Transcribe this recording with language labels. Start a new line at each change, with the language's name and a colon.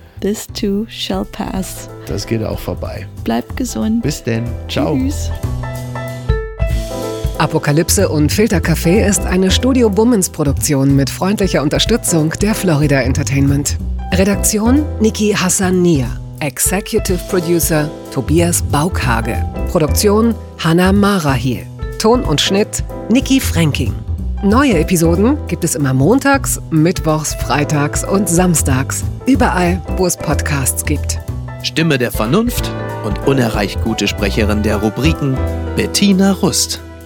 English: This too shall pass.
German: Das geht auch vorbei. Bleib gesund. Bis denn. Ciao. Tschüss. Apokalypse und Filtercafé ist eine Studio-Bummens-Produktion mit freundlicher Unterstützung der Florida Entertainment. Redaktion Niki Hassan-Nier. Executive Producer Tobias Baukhage. Produktion Hannah Marahiel. Ton und Schnitt Niki Fränking. Neue Episoden gibt es immer montags, mittwochs, freitags und samstags. Überall, wo es Podcasts gibt. Stimme der Vernunft und unerreicht gute Sprecherin der Rubriken Bettina Rust.